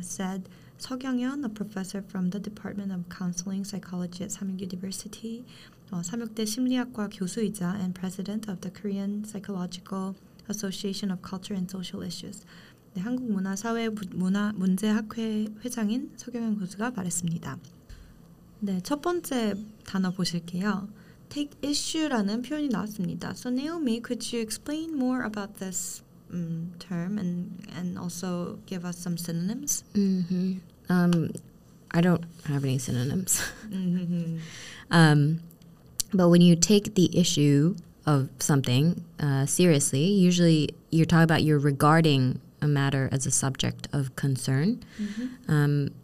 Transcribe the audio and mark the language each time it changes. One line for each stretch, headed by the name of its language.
English: said 서경연, a professor from the Department of Counseling Psychology at 삼육 University,
Korean: 삼육대 심리학과 교수이자
English: and president of the Korean Psychological Association of Culture and Social Issues.
Korean: 네, 한국문화사회문화문제학회 회장인 서경연 교수가 말했습니다. 네, 첫 번째 단어 보실게요. Take issue라는 표현이 나왔습니다.
English: So Naomi, could you explain more about this term and also give us some synonyms? Mm-hmm. I don't have any synonyms. Mm-hmm. But when you take the issue of something seriously, usually you're talking about you're regarding a matter as a subject of concern. Mm-hmm.